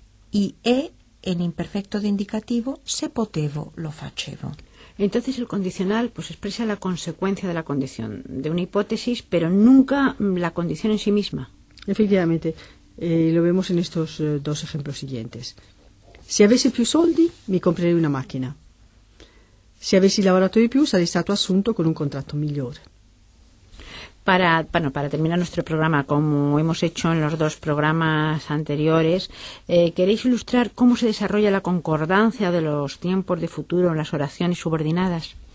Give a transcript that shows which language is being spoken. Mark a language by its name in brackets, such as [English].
[Spanish] Y E, en imperfecto de indicativo, [Italian] se potevo lo facevo. [Spanish] Entonces el condicional pues expresa la consecuencia de la condición, de una hipótesis, pero nunca la condición en sí misma. Efectivamente. Lo vemos en estos dos ejemplos siguientes. [Italian] Si avessi più soldi, mi comprerei una macchina. Si avessi lavorato di più, sarei stato assunto con un contratto migliore. [Spanish] Para terminar nuestro programa, como hemos hecho en los dos programas anteriores, ¿queréis ilustrar cómo se desarrolla la concordancia de los tiempos de futuro en las oraciones subordinadas?